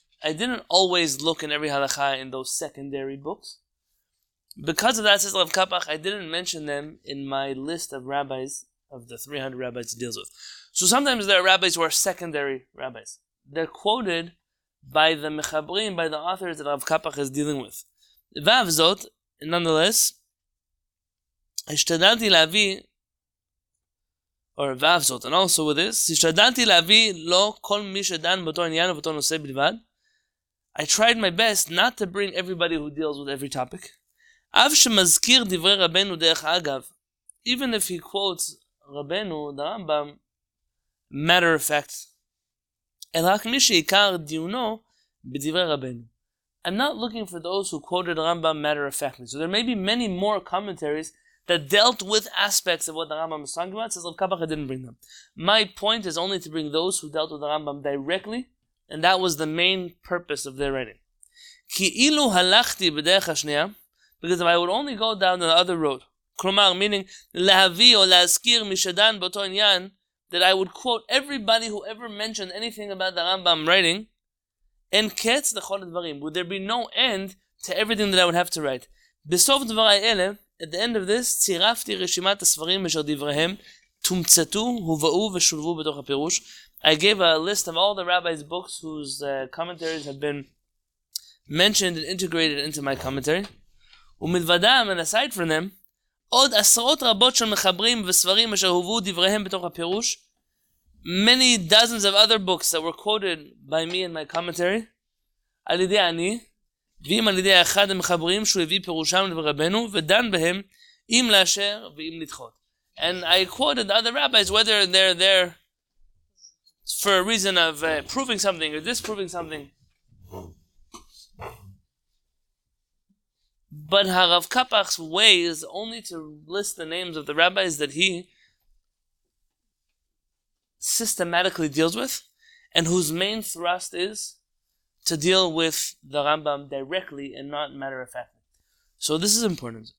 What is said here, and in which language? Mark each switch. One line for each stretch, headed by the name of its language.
English: I didn't always look in every halakha in those secondary books. Because of that, says Rav Kappach, I didn't mention them in my list of rabbis, of the 300 rabbis he deals with. So sometimes there are rabbis who are secondary rabbis. They're quoted by the mechabrim, by the authors that Rav Kappach is dealing with.
Hebrew: Vav zot,
English: nonetheless,
Hebrew: השתדלתי להביא,
English: or
Hebrew: ואף זאת,
English: and also with this,
Hebrew: השתדלתי להביא לא כל מי שדן באותו עניין ובאותו נושא בלבד.
English: I tried my best not to bring everybody who deals with every topic.
Hebrew: אף שמזכיר דברי רבנו דרך אגב,
English: even if he quotes
Hebrew: רבנו, דרמב"ם,
English: matter of fact,
Hebrew: אלא רק מי שעיקר דיונו בדברי רבנו.
English: I'm not looking for those who quoted רמב"ם matter of fact. So there may be many more commentaries that dealt with aspects of what the Rambam is talking about, says Rav Kappach, I didn't bring them. My point is only to bring those who dealt with the Rambam directly, and that was the main purpose of their writing.
Hebrew: Ki'ilu halachti b'derech hashnia,
English: because if I would only go down the other road,
Hebrew: klomar,
English: meaning,
Hebrew: lehavi o lehazkir mishadan b'oto inyan,
English: that I would quote everybody who ever mentioned anything about the Rambam writing,
Hebrew: en ketz lechol advarim,
English: would there be no end to everything that I would have to write?
Hebrew: Besof dvarai ele,
English: at the end of this,
Hebrew: צירפתי רשימת הספרים אשר דבריהם תומצתו, הובאו ושולבו בתוך הפירוש.
English: I gave a list of all the rabbis' books whose commentaries have been mentioned and integrated into my commentary.
Hebrew: ומלבדם,
English: and aside from them,
Hebrew: עוד עשרות רבות של מחברים וספרים אשר הובאו דבריהם בתוך הפירוש.
English: Many dozens of other books that were quoted by me in my commentary,
Hebrew: על ידי אני, ואם על ידי אחד המחברים שהוא הביא פירושם לרבנו ודן בהם אם לאשר ואם לדחות.
English: And I quoted other rabbis, whether they're there for a reason of proving something or disproving something. But הרב קפח's way is only to list the names of the rabbis that he systematically deals with and whose main thrust is to deal with the Rambam directly and not matter of fact. So this is important.